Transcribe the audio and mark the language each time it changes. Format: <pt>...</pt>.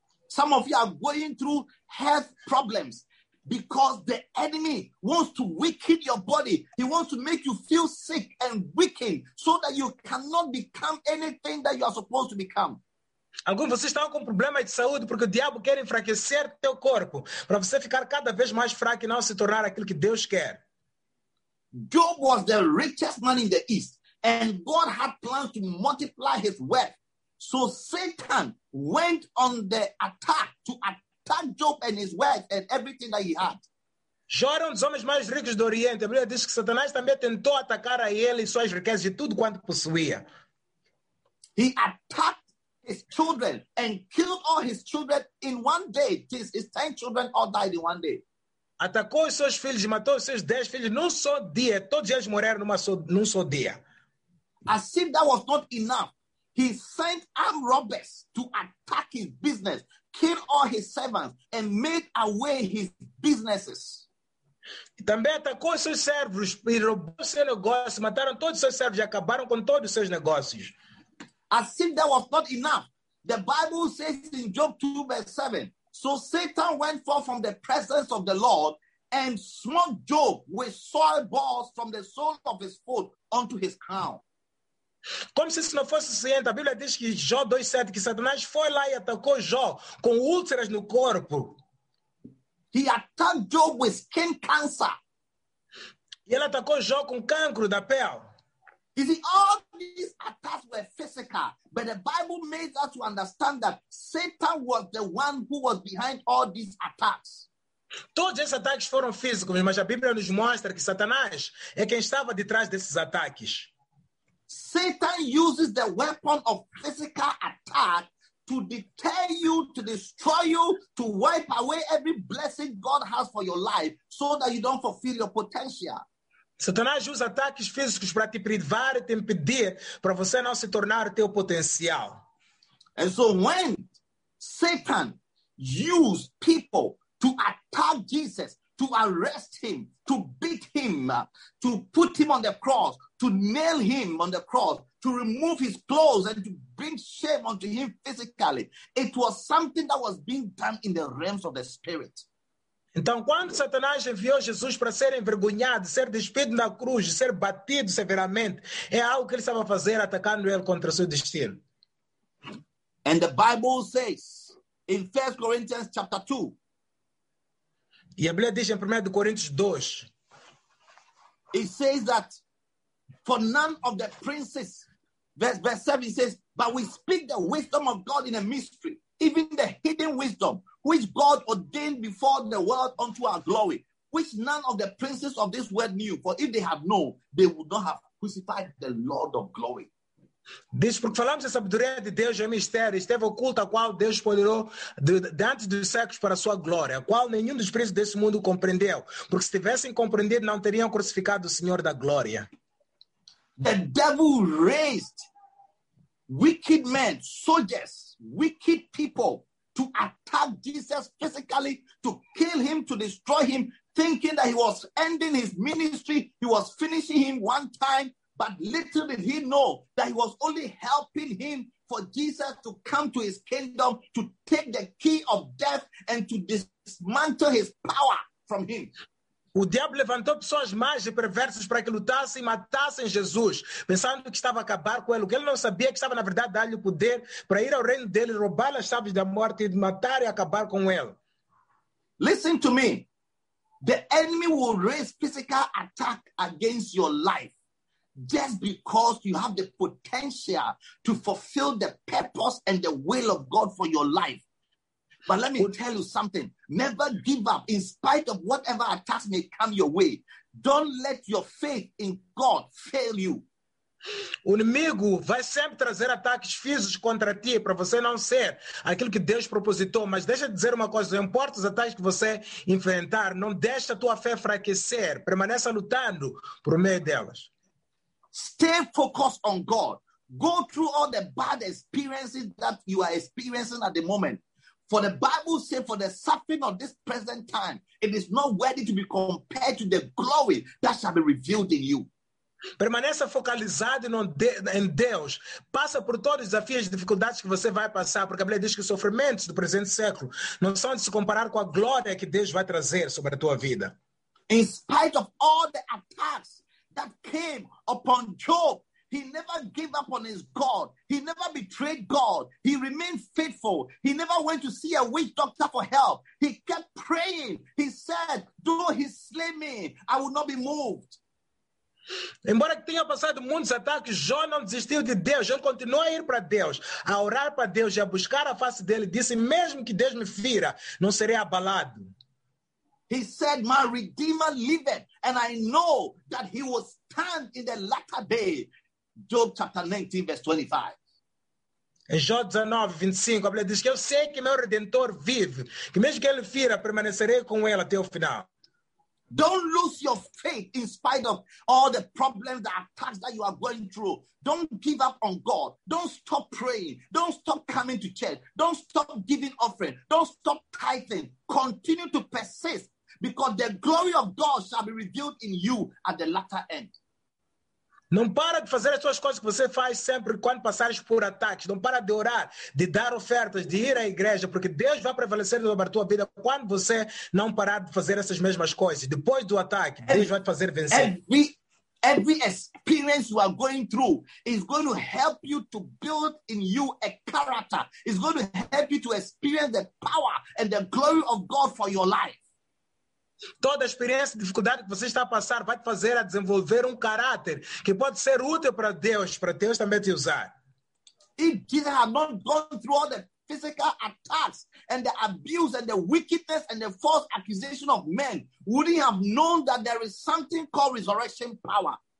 <en>Some of you are going through health problems. Because the enemy wants to weaken your body. He wants to make you feel sick and weakened so that you cannot become anything that you are supposed to become.</en> <pt>Alguns de vocês estão com problemas de saúde porque o diabo quer enfraquecer teu corpo para você ficar cada vez mais fraco e não se tornar aquilo que Deus quer.</pt> <en>Job was the richest man in the East and God had plans to multiply his wealth. So Satan went on the attack to attack Job and his wife and everything that he had.</en> <pt>Jó era um dos homens mais ricos do Oriente. A Bíblia diz que Satanás também tentou atacar a ele e suas riquezas e tudo quanto possuía.</pt> <en>He attacked his children and killed all his children in one day. His 10 children all died in one day.</en> <pt>Atacou os seus filhos e matou os seus 10 filhos num só dia. Todos eles morreram num só dia.</pt> <en>As if that was not enough, he sent armed robbers to attack his business, kill all his servants and made away his businesses.</en> <pt>Também atacou seus servos e roubou seu negócio, mataram todos seus servos e acabaram com todos os seus negócios.</pt> <en>As if that was not enough, the Bible says in Job 2 verse 7, so Satan went forth from the presence of the Lord and smote Job with soil balls from the sole of his foot unto his crown.</en> <pt>Como se isso não fosse suficiente, a Bíblia diz que Jó 2:7, que Satanás foi lá e atacou Jó com úlceras no corpo.</pt> <en>He attacked Job with skin cancer.</en> <pt>E ele atacou Jó com cancro da pele.</pt> <en>You see, all these attacks were physical, but the Bible made us to understand that Satan was the one who was behind all these attacks.</en> <pt>Todos esses ataques foram físicos, mas a Bíblia nos mostra que Satanás é quem estava detrás desses ataques.</pt> <en>Satan uses the weapon of physical attack to deter you, to destroy you, to wipe away every blessing God has for your life so that you don't fulfill your potential.</en> <pt>Satanás usa ataques físicos para te privar e te impedir para você não se tornar teu potencial.</pt> <en>And so when Satan used people to attack Jesus, to arrest him, to beat him, to put him on the cross, to nail him on the cross, to remove his clothes and to bring shame unto him physically. It was something that was being done in the realms of the spirit.</en> <pt>Então, quando Satanás enviou Jesus para ser envergonhado, ser despido na cruz, ser batido severamente, é algo que ele estava fazendo, atacando ele contra seu destino.</pt> <en>And the Bible says, in 1 Corinthians chapter 2,</en> <pt>e a Bíblia diz em 1 Coríntios 2,</pt> <en>it says that for none of the princes, verse 7 says, but we speak the wisdom of God in a mystery, even the hidden wisdom, which God ordained before the world unto our glory, which none of the princes of this world knew, for if they had known, they would not have crucified the Lord of glory.</en> <pt>Diz, porque falamos da sabedoria de Deus, é mistério, esteve oculto a qual Deus poderou de antes dos séculos para a sua glória, a qual nenhum dos príncipes desse mundo compreendeu, porque se tivessem compreendido, não teriam crucificado o Senhor da glória.</pt> <en>The devil raised wicked men, soldiers, wicked people to attack Jesus physically, to kill him, to destroy him, thinking that he was ending his ministry, he was finishing him one time. But little did he know that he was only helping him for Jesus to come to his kingdom to take the key of death and to dismantle his power from him.</en> <pt>O diabo levantou pessoas más e perversas para que lutassem e matassem Jesus, pensando que estava a acabar com ele. O que ele não sabia que estava, na verdade, dar-lhe o poder para ir ao reino dele, roubar as chaves da morte e matar e acabar com ele.</pt> <en>Listen to me. The enemy will raise physical attack against your life just because you have the potential to fulfill the purpose and the will of God for your life. But let me tell you something. Never give up in spite of whatever attacks may come your way. Don't let your faith in God fail you.</en> <pt>O inimigo vai sempre trazer ataques físicos contra ti para você não ser aquilo que Deus propositou. Mas deixa eu dizer uma coisa. Não importa os ataques que você enfrentar, não deixe a tua fé fraquecer. Permaneça lutando por meio delas.</pt> <en>Stay focused on God. Go through all the bad experiences that you are experiencing at the moment. For the Bible says, for the suffering of this present time, it is not worthy to be compared to the glory that shall be revealed in you.</en> <pt>Permaneça focalizado em Deus. Passa por todos os desafios e dificuldades que você vai passar, porque a Bíblia diz que os sofrimentos do presente século não são de se comparar com a glória que Deus vai trazer sobre a tua vida.</pt> <en>In spite of all the attacks that came upon Job, he never gave up on his God. He never betrayed God. He remained faithful. He never went to see a witch doctor for help. He kept praying. He said, though he slay me, I will not be moved.</en> <pt>Embora que tenha passado muitos ataques, Jó não desistiu de Deus. Ele continuou a ir para Deus, a orar para Deus e a buscar a face dele. Disse, mesmo que Deus me fira, não serei abalado.</pt> <en>He said, my Redeemer liveth, and I know that he will stand in the latter day. Job chapter 19, verse 25.</en> <pt>Em Jó 19, 25, a Bíblia diz que eu sei que meu Redentor vive, que mesmo que ele fira, permanecerei com ele até o final.</pt> <en>Don't lose your faith in spite of all the problems, the attacks that you are going through. Don't give up on God. Don't stop praying. Don't stop coming to church. Don't stop giving offering. Don't stop tithing. Continue to persist because the glory of God shall be revealed in you at the latter end.</en> <pt>Não para de fazer as suas coisas que você faz sempre quando passares por ataques. Não para de orar, de dar ofertas, de ir à igreja, porque Deus vai prevalecer sobre a tua vida quando você não parar de fazer essas mesmas coisas. Depois do ataque, Deus vai te fazer vencer.</pt> <en>Every experience you are going through is going to help you to build in you a character. It's going to help you to experience the power and the glory of God for your life.</en> <pt>Toda a experiência e dificuldade que você está a passar vai te fazer a desenvolver um caráter que pode ser útil para Deus também te usar.</pt> <en>If Jesus had not gone through all the physical attacks and the abuse and the wickedness and the false accusation of men, would he have known that there is something called resurrection power?</en>